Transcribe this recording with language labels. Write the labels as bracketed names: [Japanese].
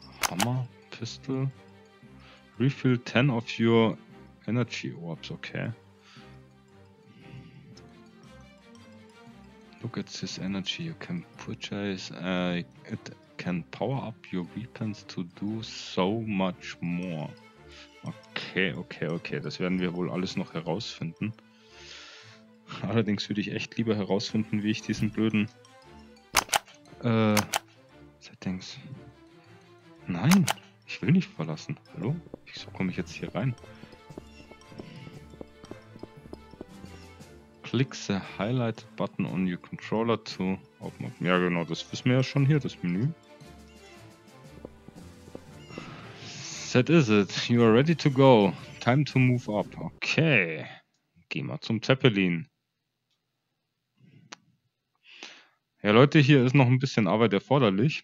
[English] Hammer, Pistol. Refill 10 of your energy orbs, okay. Look at this energy, you can purchase, it can power up your weapons to do so much more. [German] Okay, okay, okay, das werden wir wohl alles noch herausfinden. Allerdings würde ich echt lieber herausfinden, wie ich diesen blöden Settings. Nein, ich will nicht verlassen. Hallo? Wieso komme ich jetzt hier rein? [English] Click the highlight button on your controller to open up. [German] Ja genau, das wissen wir ja schon hier, das Menü. [English] That is it. You are ready to go. Time to move up. Okay. [German] Geh mal zum Zeppelin. Ja Leute, hier ist noch ein bisschen Arbeit erforderlich.